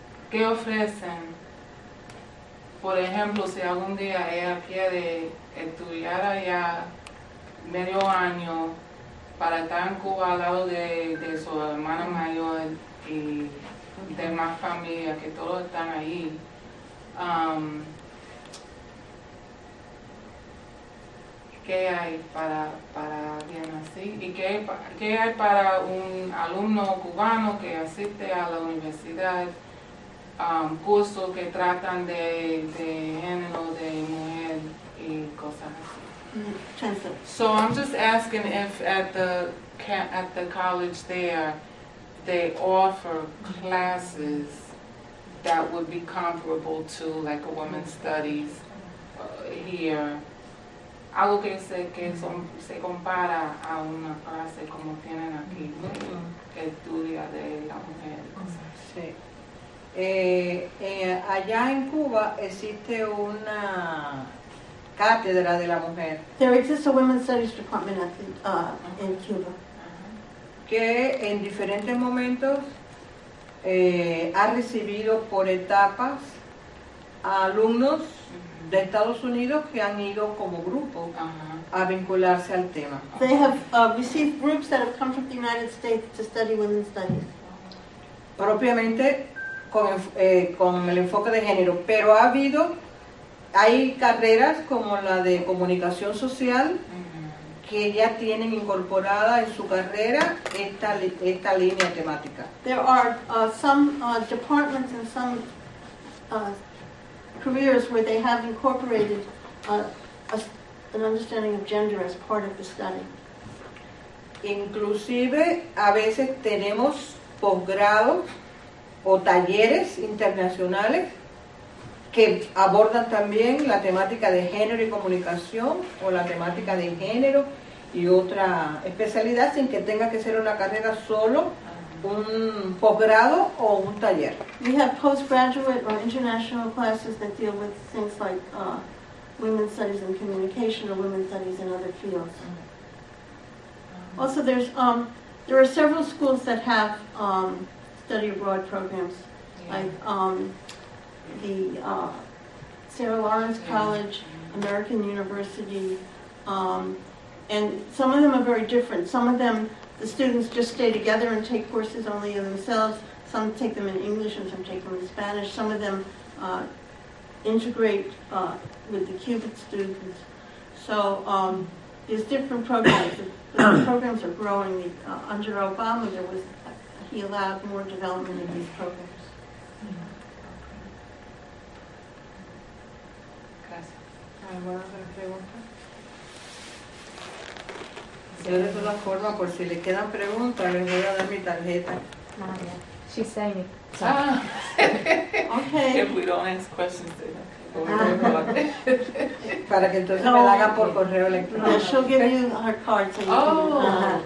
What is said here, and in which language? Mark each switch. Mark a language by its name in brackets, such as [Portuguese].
[Spanish] ¿qué ofrecen? Por ejemplo, si algún día ella quiere estudiar allá medio año para estar en Cuba al lado de su hermana mayor y demás familias que todos están ahí, ¿qué hay para alguien así? ¿Y qué hay para un alumno cubano que asiste a la universidad? Cursos que tratan de género, de mujer y cosas así. [English] So I'm just asking if at the college there they offer classes that would be comparable to like a women's studies here. [Spanish] Algo que se que son, se compara a una clase como tienen aquí, que estudia de la mujer. Allá en Cuba existe una cátedra de la mujer. [English] There exists a women's studies department at the, in Cuba. [Spanish] Que en diferentes momentos ha recibido por etapas a alumnos de Estados Unidos que han ido como grupo a vincularse al tema. [English] They have received groups that have come from the United States to study women's studies. [Spanish] Propiamente con el enfoque de género, pero ha habido, hay carreras como la de comunicación social que ya tienen incorporada en su carrera esta línea temática. [English] There are some departments and some careers where they have incorporated an understanding of gender as part of the study. [Spanish] Inclusive a veces tenemos posgrados o talleres internacionales que abordan también la temática de género y comunicación o la temática de género y otra especialidad sin que tenga que ser una carrera, solo un posgrado o un taller. [English] We have postgraduate or international classes that deal with things like women's studies and communication or women's studies in other fields. Also, there are several schools that have study abroad programs, like the Sarah Lawrence College, American University, and some of them are very different. Some of them, the students just stay together and take courses only of themselves. Some take them in English and some take them in Spanish. Some of them integrate with the Cuban students. So there's different programs. The programs are growing. Under Obama, there was he allowed more development in these programs. [Spanish] Yo de todas formas, por si le quedan preguntas, les voy a dar mi tarjeta. [English] She's saying it. Okay. If we don't ask questions, then [Spanish] para que entonces me la hagan por correo electrónico. [English] No, she'll give you her card so you can.